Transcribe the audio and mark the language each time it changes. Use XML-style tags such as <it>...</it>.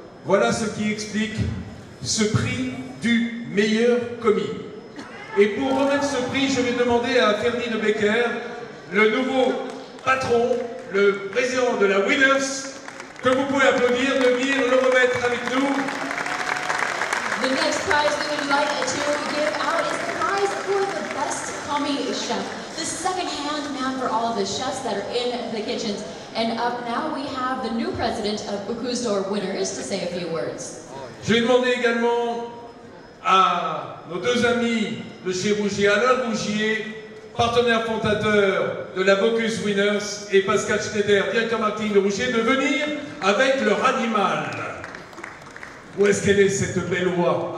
<fr>Voilà ce qui explique ce prix du meilleur commis. Et pour remettre ce prix, je vais demander à Ferdinand Becker, le nouveau patron, le président de la Winners, que vous pouvez applaudir, de venir le remettre avec nous.</fr> <en>The next prize we would like to give out is the prize for the best commis chef. The second-hand man for all of the chefs that are in the kitchens. And up now we have the new president of Bocuse d'Or Winners to say a few words.</en> <fr>Je vais demander également à nos deux amis de chez Rougier, Alain Rougier, partenaire fondateur de la Bocuse Winners, et Pascal Schneider, directeur marketing de Rougier, de venir avec leur animal. Où est-ce qu'elle est, cette belle oie?</fr>